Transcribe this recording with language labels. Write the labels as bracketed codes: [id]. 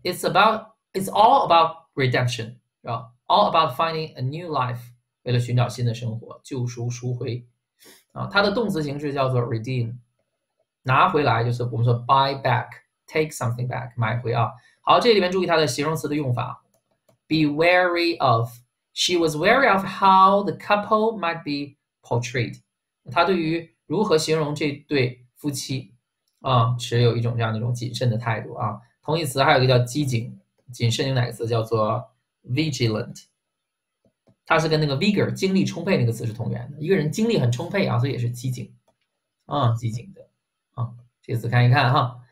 [en] It's all about redemption， [zh] 是吧？ [en] All about finding a new life， [zh] 为了寻找新的生活，救赎、赎回啊。它的动词形式叫做 redeem，拿回来就是我们说 [en] buy back， take something back， [zh] 买回啊。好，这里面注意它的形容词的用法。 [en] Be wary of. She was wary of how the couple might be portrayed. [zh] 她对于如何形容这对夫妻啊，持有一种这样的一种谨慎的态度啊。同义词还有一个叫机警，谨慎用哪个词？叫做 vigilant。它是跟那个 vigor 精力充沛那个词是同源的，一个人精力很充沛啊，所以也是机警啊，机警的啊。这个词看一看哈。